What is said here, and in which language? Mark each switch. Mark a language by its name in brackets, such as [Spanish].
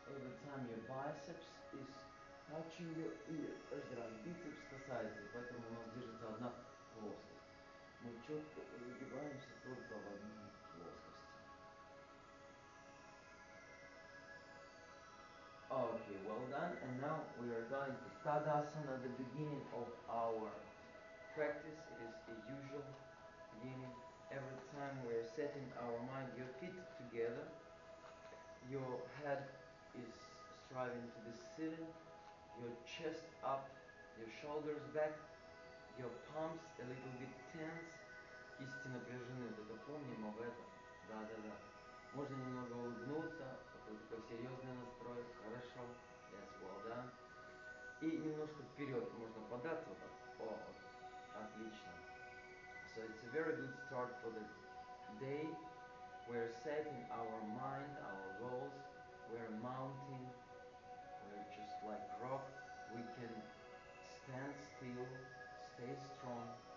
[English] Over time, your biceps is touching your ear. [Russian] Это бицепс касается, поэтому у нас держится одна плоскость. Мы четко выгибаемся только в одну плоскость. [English] Okay, well done. And now we are going to Tadasana, the beginning of our practice. It is a usual beginning. Every time we are setting our mind, your feet together, your head is striving to the ceiling, your chest up, your shoulders back, your palms a little bit tense. [Russian] Истинно напряжены, только помним об этом. Да. Можно немного улыбнуться, только серьезный настрой. [English] Хорошо. Yes, well done. [Russian] И немножко вперед, можно податься вот так. О, отлично. [English] So it's a very good start for the day. We're setting our mind, our goals. We're mounting. We're just like rock. We can stand still, stay strong.